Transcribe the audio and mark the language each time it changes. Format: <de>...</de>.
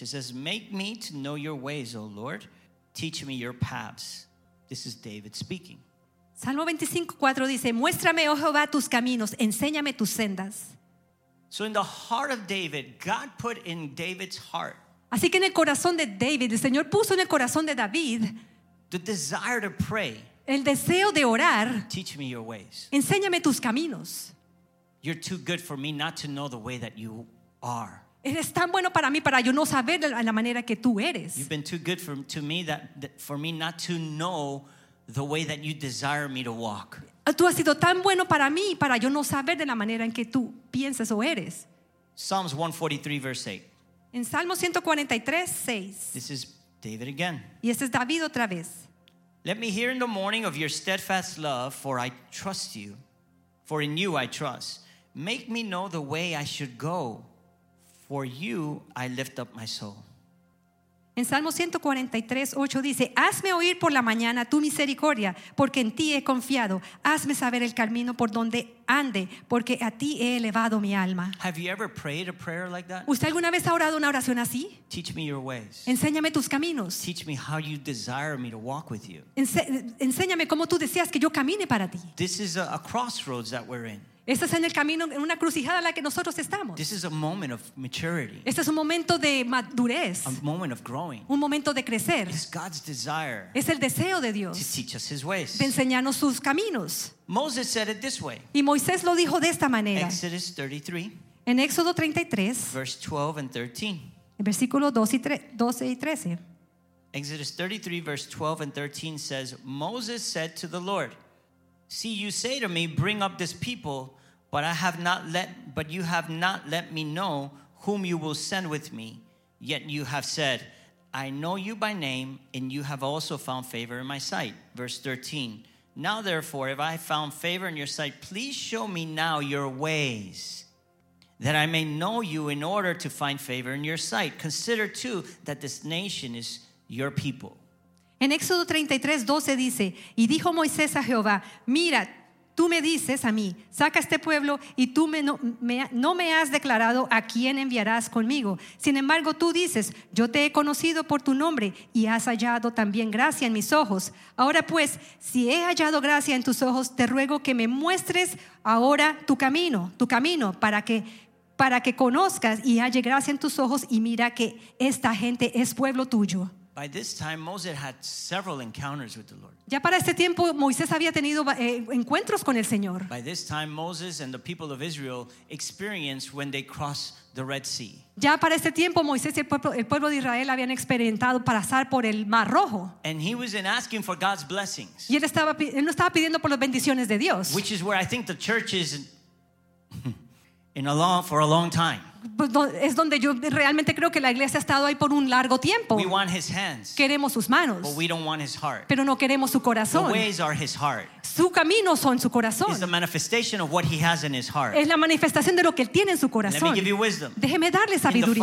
<en>It says, make me to know your ways, O Lord. Teach me your paths. This is David speaking.</en> <es>Salmo 25:4 dice, muéstrame, oh Jehová, tus caminos, enséñame tus sendas.</es> <en>So in the heart of David, God put in David's heart.</en> <es>Así que en el corazón de David, el Señor puso en el corazón de David</es> <en>the desire to pray.</en> <es>El deseo de orar.</es> <en>Teach me your ways.</en> <es>Enséñame tus caminos.</es> <en>You're too good for me not to know the way that you are.</en> <es>Eres tan bueno para mí para yo no saber la manera que tú eres.</es> <en>You've been too good for me not to know the way that you desire me to walk.</en> <es>Tú has sido tan bueno para mí para yo no saber de la manera en que tú piensas o eres.</es> <en>Psalms 143 verse 8.</en> <es>En Salmo 143:6.</es> <en>This is David again.</en> <es>Y este es David otra vez.</es> <en>Let me hear in the morning of your steadfast love, for I trust you, for in you I trust. Make me know the way I should go, for you I lift up my soul.</en> <es>En Salmo 143:8 dice, hazme oír por la mañana tu misericordia, porque en ti he confiado. Hazme saber el camino por donde ande, porque a ti he elevado mi alma.</es> <en>Have you ever prayed a prayer like that?</en> <es>¿Usted alguna vez ha orado una oración así?</es> <en>Teach me your ways.</en> <es>Enséñame tus caminos.</es> <en>Teach me how you desire me to walk with you.</en> <es>Enséñame cómo tú deseas que yo camine para ti.</es> <en>This is a crossroads that we're in.</en> <es>Este es en el camino, en una crucijada en la que nosotros estamos.</es> <en>This is a moment of maturity.</en> <es>Este es un momento de madurez.</es> <en>A moment of growing.</en> <es>Un momento de crecer.</es> <en>It's God's desire.</en> <es>Es el deseo de Dios.</es> <en>To teach us his ways.</en> <es>De enseñarnos sus caminos.</es> <en>Moses said it this way.</en> <es>Y Moisés lo dijo de esta manera.</es> <en>Exodus 33.</en> <es>En Éxodo 33.</es> <en>Verse 12 and 13.</en> <es>En versículo 12 y 13.</es> <en>Exodus 33 verse 12 and 13 says, Moses said to the Lord, see, you say to me, bring up this people, but you have not let me know whom you will send with me. Yet you have said, I know you by name, and you have also found favor in my sight. Verse 13. Now, therefore, if I have found favor in your sight, please show me now your ways, that I may know you in order to find favor in your sight. Consider, too, that this nation is your people.</en> <es>En Éxodo 33:12 dice, y dijo Moisés a Jehová, mira, tú me dices a mí, saca este pueblo y tú no me has declarado a quién enviarás conmigo. Sin embargo, tú dices, yo te he conocido por tu nombre y has hallado también gracia en mis ojos. Ahora pues, si he hallado gracia en tus ojos, te ruego que me muestres ahora tu camino para que conozcas y halle gracia en tus ojos y mira que esta gente es pueblo tuyo.</es> <en>By this time, Moses had several encounters with the Lord.</en> <es>Ya para este tiempo, Moisés había tenido encuentros con el Señor.</es> <en>By this time, Moses and the people of Israel experienced when they crossed the Red Sea.</en> <es>Ya para este tiempo, Moisés y el pueblo de Israel habían experimentado pasar por el Mar Rojo.</es> <en>And he was in asking for God's blessings.</en> <es>Y él no estaba pidiendo por las bendiciones de Dios.</es> <en>Which is where I think the church is for a long time.</en> <es>Es donde yo realmente creo que la iglesia ha estado ahí por un largo tiempo.</es> <en>We want his hands,</en> <es>queremos sus manos,</es> <en>but we don't want his heart.</en> <es>Pero no queremos su corazón.</es> <en>The ways are his heart.</en> <es>Su camino son su corazón.</es> <en>It's the manifestation of what he has in his heart.</en> <es>Es la manifestación de lo que él tiene en su corazón.</es> <en>Let me give you wisdom.</en> <es>Déjeme darle sabiduría.</es>